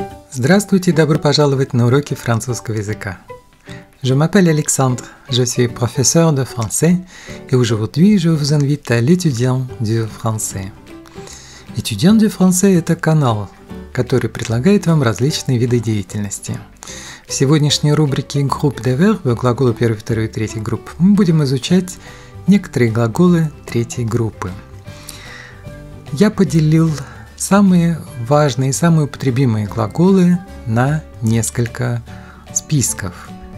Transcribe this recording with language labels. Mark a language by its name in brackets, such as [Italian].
[Russian] Здравствуйте, добро пожаловать на уроки французского языка. [French] Je m'appelle Alexandre, je suis professeur de français, et aujourd'hui je vous invite à l'étudiant du français. [Russian] Étudiant du français – это канал, который предлагает вам различные виды деятельности. В сегодняшней рубрике «Groupe de verbe» – глаголы первой, второй и третьей группы – мы будем изучать некоторые глаголы третьей группы. Я поделил самые важные и самые употребимые глаголы на несколько списков.